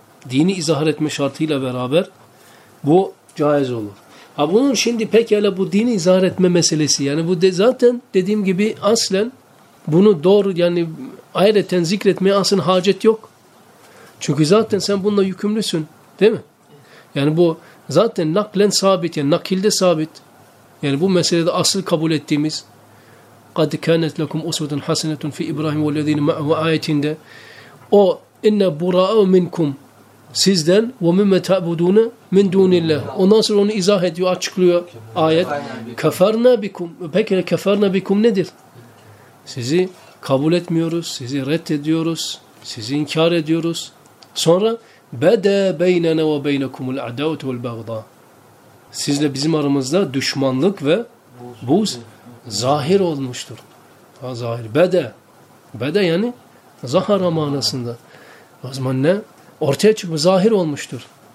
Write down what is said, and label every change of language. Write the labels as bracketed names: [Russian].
[Turkish] Dini izhar etme şartıyla beraber bu caiz olur. Ha bunun şimdi pekala bu dini izhar etme meselesi. Yani bu zaten dediğim gibi aslen bunu doğru yani ayrıca zikretmeye aslında hacet yok. Çünkü zaten sen bununla yükümlüsün. Değil mi? Yani bu zaten naklen sabit. Yani nakilde sabit. [Arabic] Yani bu meselede asıl kabul ettiğimiz قَدْ كَانَتْ لَكُمْ اُسْوَةٌ حَسَنَةٌ فِي اِبْرَاهِمْ وَالَّذ۪ينَ مَعْهُ [Turkish] ayetinde o [Arabic] اِنَّ بُرَاءُ مِنْكُمْ [Turkish] sizden [Arabic] وَمِمَّ تَعْبُدُونَ مِنْ دُونِ اللّٰهِ [Turkish] ondan sonra onu izah ediyor, açıklıyor ayet. [Arabic] كَفَرْنَا بِكُمْ [Turkish] peki [Arabic] كَفَرْنَا بِكُمْ [Turkish] nedir? Sizi kabul etmiyoruz, sizi reddediyoruz, sizi inkar ediyoruz. Sonra [Arabic] بَدَى بَيْنَنَا وَبَيْنَكُمُ الْعَدَوَةُ وَالْبَغْضَاءُ [Turkish] sizle bizim aramızda düşmanlık ve buz zahir olmuştur. Ha, zahir. Bede. Bede yani zahara manasında. O zaman ne? Ortaya çıkmış. Zahir olmuştur.